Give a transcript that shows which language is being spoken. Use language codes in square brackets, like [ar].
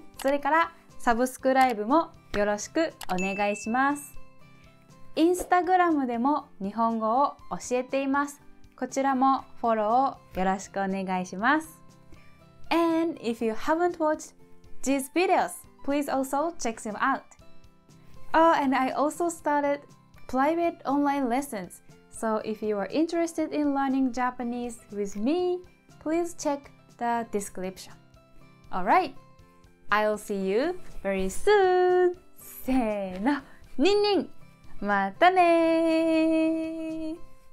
[ja] それからサブスクライブもよろしくお願いします。インスタグラムでも日本語を教えています。こちらもフォローをよろしくお願いします。 [en] And if you haven't watched these videos, please also check them out. Oh, and I also started private online lessons. So if you are interested in learning Japanese with me, please check the description. Alright, I'll see you very soon! [ja] せーの、ニンニン!またねー!